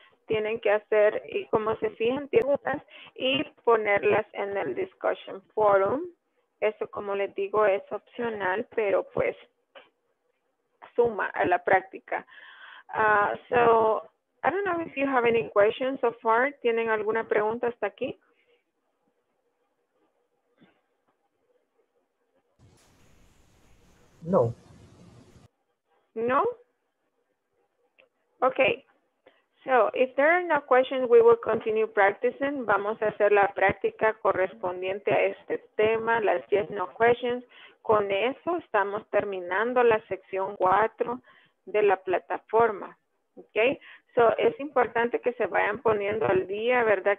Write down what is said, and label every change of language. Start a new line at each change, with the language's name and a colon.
Spanish: Tienen que hacer, y como se fijan, preguntas y ponerlas en el discussion forum. Eso, como les digo, es opcional, pero pues suma a la práctica.
English: So, I don't know if you have any questions so far.
Spanish: ¿Tienen alguna pregunta hasta aquí? No.
English: No? Okay. So, if there are no questions, we will continue practicing.
Spanish: Vamos a hacer la práctica correspondiente a este tema, las yes, no questions. Con eso estamos terminando la sección 4 de la plataforma. Okay? So, es importante que se vayan poniendo al día, ¿verdad?